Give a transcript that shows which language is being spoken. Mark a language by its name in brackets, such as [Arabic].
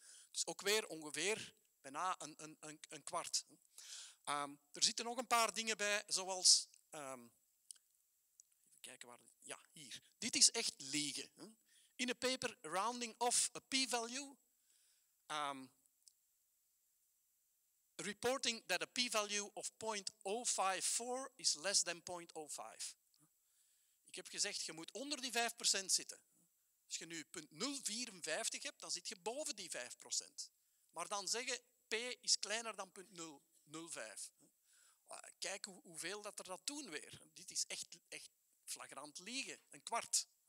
[Dutch] Dus ook weer ongeveer bijna een kwart. Er zitten nog een paar dingen bij, zoals... even kijken waar... Ja, hier. Dit is echt liegen. In een paper, [English] Rounding Off a P-Value... reporting that a p-value of 0.054 is less than 0.05. [Dutch] Ik heb gezegd, je moet onder die 5% zitten. Als je nu 0.054 hebt, dan zit je boven die 5%. Maar dan zeggen, p is kleiner dan 0.005. Kijk hoeveel dat er dat doen weer. Dit is echt flagrant liegen, een kwart.